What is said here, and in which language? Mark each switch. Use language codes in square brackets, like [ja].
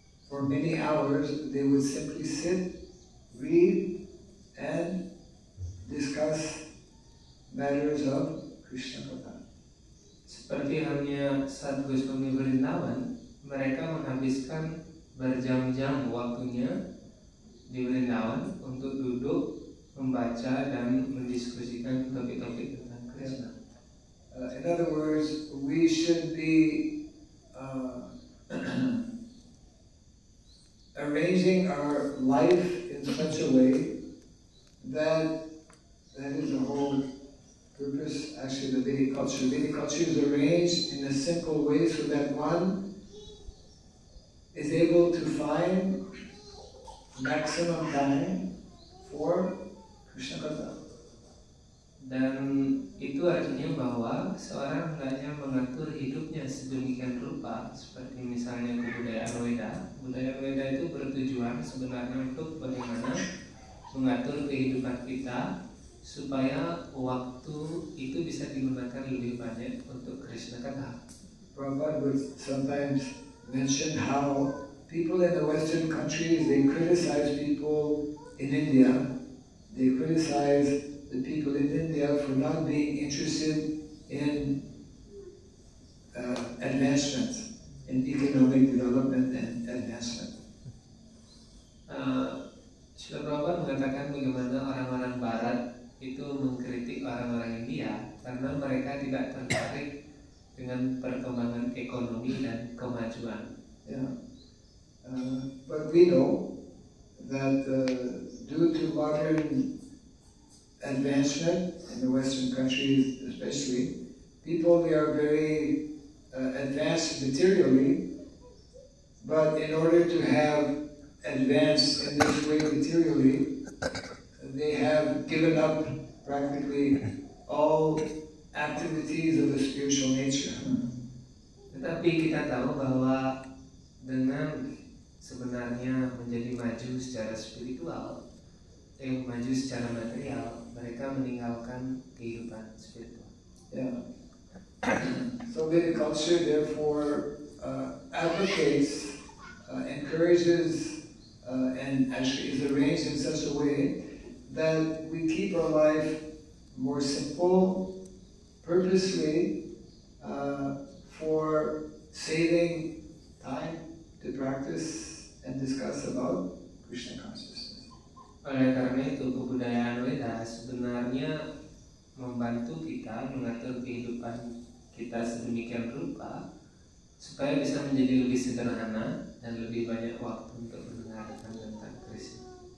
[en] for many hours, they would simply sit, read, and discuss matters of Krishna Katha. [id] Seperti halnya saat Goswami Vrindavan, mereka menghabiskan berjam-jam waktunya di Vrindavan untuk duduk, membaca, dan mendiskusikan topik-topik tentang Krishna. [en] In other words, we should be arranging our life in such a way that is the whole purpose, actually, the Vedic culture. Vedic culture is arranged in a simple way so that one is able to find maximum time for Krishna Katha. [id] Dan itu artinya bahwa seorang hendaknya mengatur hidupnya sedemikian rupa, seperti misalnya kebudayaan Weda. Budaya Weda itu bertujuan sebenarnya untuk bagaimana mengatur kehidupan kita supaya waktu itu bisa digunakan lebih banyak untuk Krishna Katha. [en] Prabhupada would sometimes mention how people in the Western countries, they criticize people in India, they criticize the people in India for not being interested in advancement, in economic development and advancement. [id] Srila Prabhupada mengatakan bagaimana orang-orang Barat itu mengkritik orang-orang India karena mereka tidak tertarik dengan perkembangan ekonomi dan kemajuan. Yeah. [en] But we know that due to modern advancement in the Western countries, especially people, they are very advanced materially, but in order to have advanced in this way materially, they have given up practically all activities of the spiritual nature. [id] Tetapi kita tahu bahwa dengan sebenarnya menjadi maju secara spiritual, yang maju secara material, mereka meninggalkan kehidupan spiritual. Yeah. [en] So Vedic culture therefore advocates, encourages, and actually is arranged in such a way that we keep our life more simple, purposely for saving time to practice and discuss about Krishna consciousness. [id] Oleh karena itu, kebudayaan Weda sebenarnya membantu kita mengatur kehidupan kita sedemikian rupa supaya bisa menjadi lebih sederhana dan lebih banyak waktu untuk mendengarkan tentang Krishna.